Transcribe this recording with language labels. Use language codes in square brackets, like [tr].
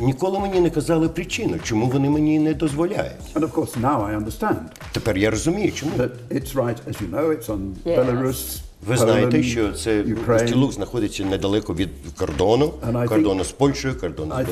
[uk] Ніколи мені не казали причину, чому вони мені не дозволяють. [en] And of course, now I understand. [uk] Тепер я розумію, чому. [en] That it's right, as you know, it's on Belarus, [uk] Ви знаєте, що це Устілук знаходиться недалеко від кордону, кордону з Польщею, кордону з